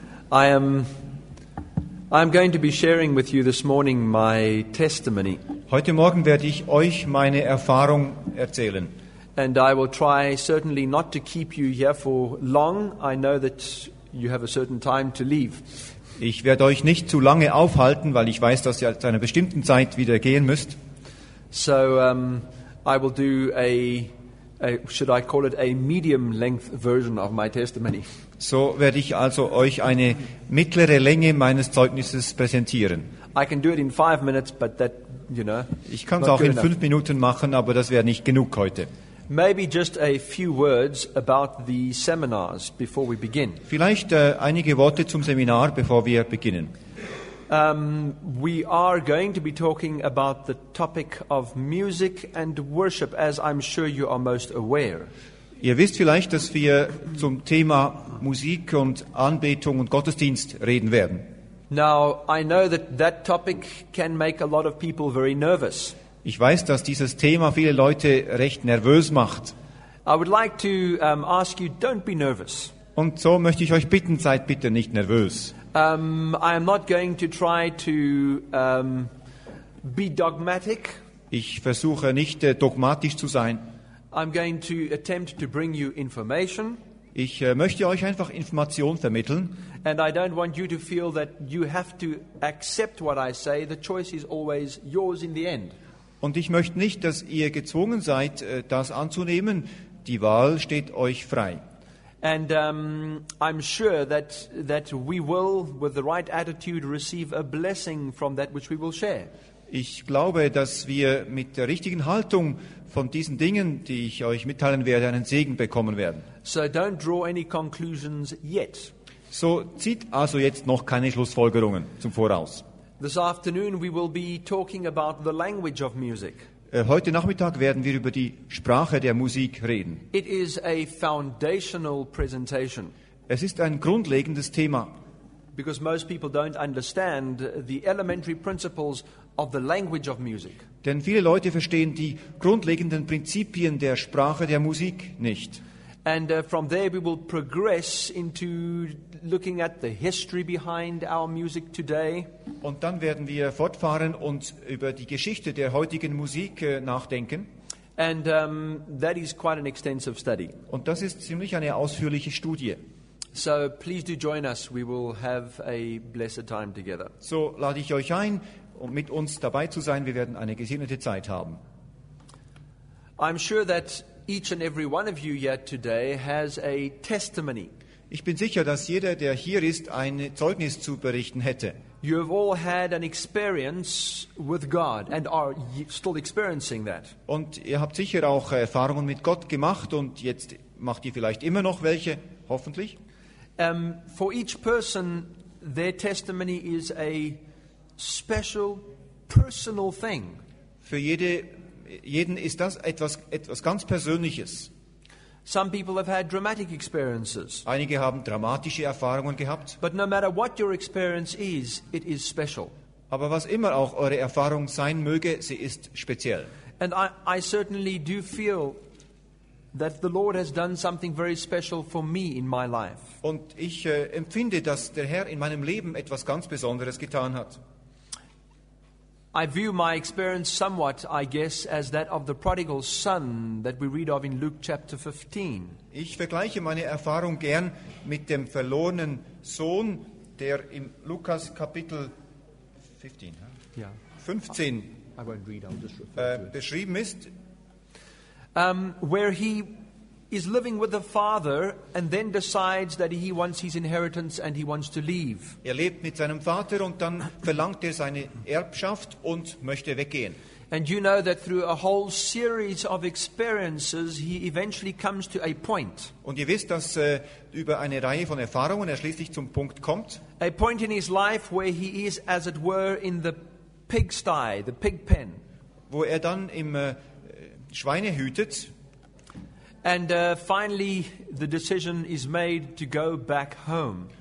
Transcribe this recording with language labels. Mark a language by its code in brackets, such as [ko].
[en] I am going to be sharing with you this morning my testimony. [de] Heute Morgen werde ich euch meine Erfahrung erzählen. [en] And I will try certainly not to keep you here for long. I know that you have a certain time to leave. [de] Ich werde euch nicht zu lange aufhalten, weil ich weiß, dass ihr zu einer bestimmten Zeit wieder gehen müsst. [en] So I will do a medium length version of my testimony. [de] So werde ich also euch eine mittlere Länge meines Zeugnisses präsentieren. [en] I can do it in 5 minutes, but that, you know. [de] Ich kann es auch in 5 Minuten machen, aber das wäre nicht genug heute. [en] Maybe just a few words about the seminars before we begin. [de] Vielleicht einige Worte zum Seminar, bevor wir beginnen. [en] We are going to be talking about the topic of music and worship, as I'm sure you are most aware. [de] Ihr wisst vielleicht, dass wir zum Thema Musik und Anbetung und Gottesdienst reden werden. [en] Now, I know that topic can make a lot of people very nervous. [de] Ich weiß, dass dieses Thema viele Leute recht nervös macht. [en] I would like to ask you, don't be nervous. [de] Und so möchte ich euch bitten, seid bitte nicht nervös. [en] I am not going to try to be dogmatic. [de] Ich versuche nicht dogmatisch zu sein. [en] I'm going to attempt to bring you information. [de] Ich möchte euch einfach Information vermitteln. [en] And I don't want you to feel that you have to accept what I say. The choice is always yours in the end. [de] Und ich möchte nicht, dass ihr gezwungen seid, das anzunehmen. Die Wahl steht euch frei. [en] And I'm sure that we will, with the right attitude, receive a blessing from that which we will share. [de] Ich glaube, dass wir mit der richtigen Haltung von diesen Dingen, die ich euch mitteilen werde, einen Segen bekommen werden. [en] So don't draw any conclusions yet. [de] So zieht also jetzt noch keine Schlussfolgerungen zum Voraus. [en] This afternoon we will be talking about the language of music. [de] Heute Nachmittag werden wir über die Sprache der Musik reden. [en] It is a foundational presentation. [de] Es ist ein grundlegendes Thema. [en] Because most people don't understand the elementary principles of the language of music. [de] Denn viele Leute verstehen die grundlegenden Prinzipien der Sprache der Musik nicht. [en] And from there we will progress into looking at the history behind our music today. [de] Und dann werden wir fortfahren und über die Geschichte der heutigen Musik nachdenken. [en] And that is quite an extensive study. [de] Und das ist ziemlich eine ausführliche Studie. [en] So please do join us. We will have a blessed time together. [de] So lade ich euch ein, um mit uns dabei zu sein. Wir werden eine gesegnete Zeit haben. [en] I'm sure that each and every one of you here today has a testimony. [de] Ich bin sicher, dass jeder, der hier ist, ein Zeugnis zu berichten hätte. [en] You have all had an experience with God and are still experiencing that. [de] Und ihr habt sicher auch Erfahrungen mit Gott gemacht und jetzt macht ihr vielleicht immer noch welche, hoffentlich. [en] For each person, their testimony is a special, personal thing. [de] Für jeden ist das etwas ganz Persönliches. [en] Some people have had dramatic experiences. [de] Einige haben dramatische Erfahrungen gehabt. [en] But no matter what your experience is, it is special. [de] Aber was immer auch eure Erfahrung sein möge, sie ist speziell. [en] And I certainly do feel that the Lord has done something very special for me in my life. [de] Und ich empfinde, dass der Herr in meinem Leben etwas ganz Besonderes getan hat. [en] I view my experience somewhat, I guess, as that of the prodigal son that we read of in Luke chapter 15. [de] Ich vergleiche meine Erfahrung gern mit dem verlorenen Sohn, der im Lukas Kapitel 15, huh? [en] Yeah. 15 I won't read, I'll just refer to it. [de] Beschrieben ist, [en] where he is living with the father and then decides that he wants his inheritance and he wants to leave. [de] Er lebt mit seinem Vater und dann verlangt er seine Erbschaft und möchte weggehen. [en] And you know that through a whole series of experiences, he eventually comes to a point. [de] Und ihr wisst, dass über eine Reihe von Erfahrungen schließlich zum Punkt kommt. [en] A point in his life where he is, as it were, in the pigsty, the pig pen. [de] Wo er dann im Schweine hütet. [en] And finally, the decision is made to go back home.